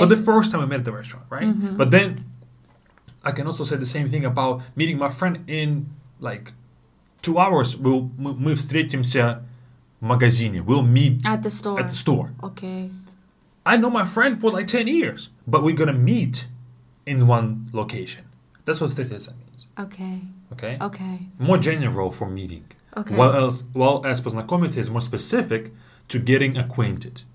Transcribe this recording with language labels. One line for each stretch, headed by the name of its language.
English: For the first time we met at the restaurant, right? Mm-hmm. But then I can also say the same thing about meeting my friend in like 2 hours.
Russian: Мы встретимся в магазине.
English: We'll meet at the store. At the store. Okay. I know my friend for like 10 years, but we're going to meet in one location. That's what встретиться means. Okay. More general for meeting. Okay. While познакомиться is more specific to getting acquainted.